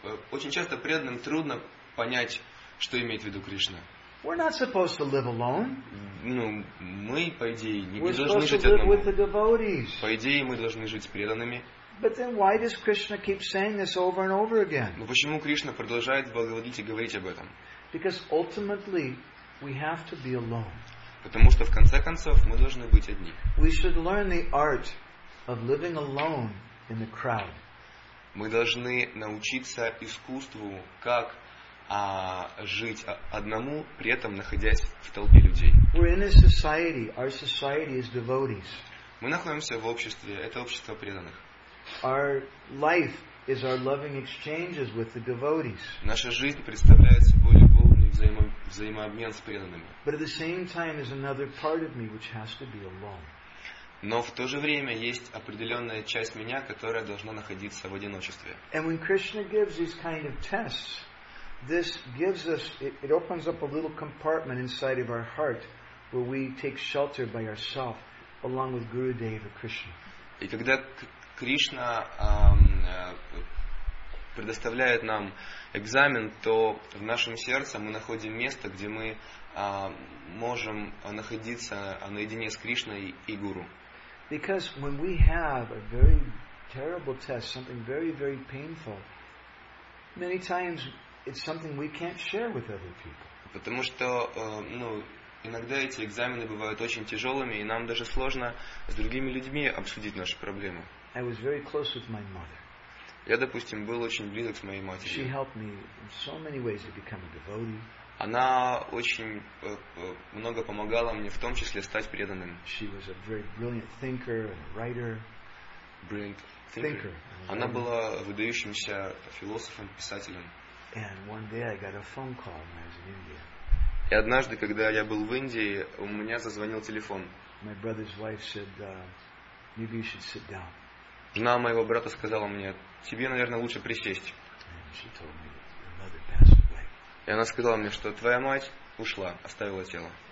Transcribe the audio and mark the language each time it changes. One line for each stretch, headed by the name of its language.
Russian: Очень часто преданным трудно понять, что имеет в виду Кришна.
English: We're not supposed to live alone.
Russian: Мы, по идее, не должны жить одному.
English: With the devotees.
Russian: По идее, мы должны жить с преданными.
English: But then why does Krishna keep saying this over and over again?
Russian: Но почему Кришна продолжает в Бхагавад Гите говорить об этом?
English: Because ultimately we have to be alone.
Russian: Потому что в конце концов мы должны быть одни.
English: We should learn the art of living alone in the crowd.
Russian: Мы должны научиться искусству, как жить одному, при этом находясь в толпе людей.
English: We're in a society. Our society is devotees.
Russian: Мы находимся в обществе. Это общество преданных.
English: Our life is our loving exchanges with the devotees.
Russian: Наша жизнь представляет собой любовный взаимообмен с преданными.
English: But at the same time is another part of me which has to be alone.
Russian: Но в то же время есть определенная часть меня, которая должна находиться в одиночестве.
English: And when Krishna gives these kind of tests, this gives us, it opens up a little compartment inside of our heart where we take shelter by ourselves along with Gurudeva Krishna.
Russian: И когда Кришна предоставляет нам экзамен, то в нашем сердце мы находим место, где мы можем находиться наедине с Кришной и Гуру.
English: Because when we have a very terrible test, something very, very painful, many times it's something we can't share with other people.
Russian: Потому что, ну, иногда эти экзамены бывают очень тяжелыми, и нам даже сложно с другими людьми обсудить наши проблемы.
English: I was very close with my mother.
Russian: Я, допустим, был очень близок с моей матерью.
English: She helped me in so many ways to become a devotee.
Russian: Она очень много помогала мне, в том числе стать преданным.
English: She was a very brilliant thinker and writer. Brilliant thinker.
Russian: Она была выдающимся философом, писателем.
English: And one day I got a phone call when I was in India.
Russian: И однажды, когда я был в Индии, у меня зазвонил телефон.
English: My brother's wife said, maybe you should sit down.
Russian: Жена моего брата сказала мне, тебе, наверное, лучше присесть. И она сказала мне, что твоя мать ушла, оставила тело.